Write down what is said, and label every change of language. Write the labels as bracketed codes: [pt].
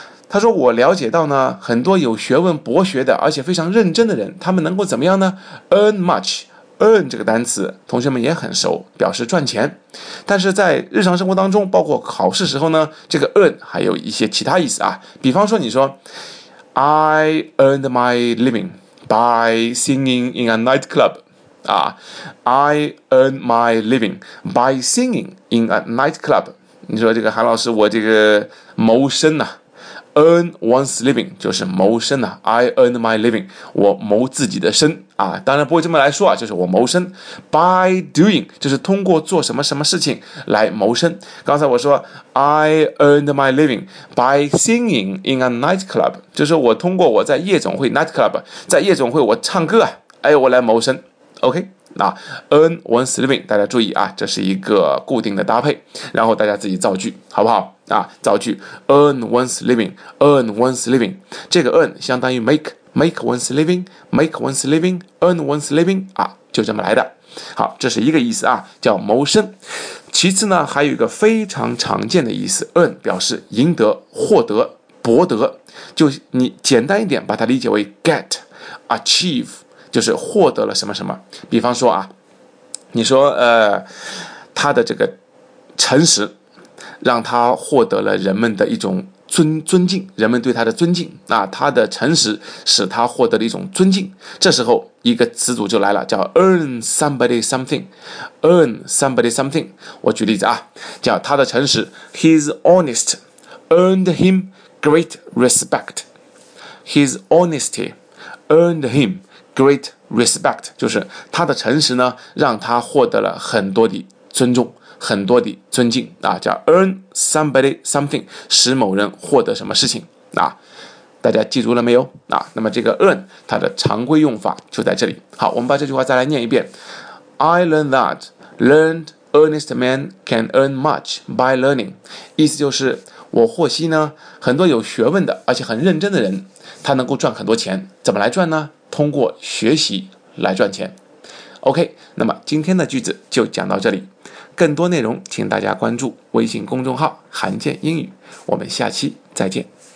[zh] 他说我了解到呢，很多有学问、博学的，而且非常认真的人，他们能够怎么样呢 ？ Earn much， earn 这个单词，同学们也很熟，表示赚钱。但是在日常生活当中，包括考试时候呢，这个 earn 还有一些其他意思啊。 [en] 比方说，你说 I earned my living by singing in a nightclub。啊、I earn my living by singing in a nightclub。 [zh] 你说这个韩老师我这个谋生啊， earn one's living 就是谋生啊， I earn my living，我谋自己的生啊，当然不会这么来说啊，就是我谋生 by doing 就是通过做什么什么事情来谋生。刚才我说 I earned my living by singing in a nightclub，就是我通过我在夜总会 nightclub， 在夜总会我唱歌啊，哎，我来谋生。OK，啊 ， earn one's living，大家注意啊，这是一个固定的搭配，然后大家自己造句，好不好？啊，造句 ， earn one's living， earn one's living， 这个 earn 相当于 make one's living， make one's living，earn one's living， 啊，就这么来的。好，这是一个意思啊，叫谋生。其次呢，还有一个非常常见的意思 ，earn 表示赢得、获得、博得，就你简单一点，把它理解为 get、achieve， 就是获得了什么什么。比方说啊，你说他的这个诚实，让他获得了人们的一种尊敬，人们对他的尊敬。那他的诚实使他获得了一种尊敬。这时候一个词组就来了，叫 earn somebody something， earn somebody something。我举例子啊，叫他的诚实 ， his honest earned him great respect。 His honesty earned him great respect，就是他的诚实呢，让他获得了很多的尊重。很多的尊敬啊，叫 earn somebody something，使某人获得什么事情啊？大家记住了没有啊？那么这个 earn 它的常规用法就在这里。 [en] 好，我们把这句话再来念一遍 ：I learned that learned earnest men can earn much by learning。 [zh] 意思就是我获悉呢，很多有学问的而且很认真的人，他能够赚很多钱。怎么来赚呢？通过学习来赚钱。OK， 那么今天的句子就讲到这里。更多内容请大家关注微信公众号韩健英语，我们下期再见。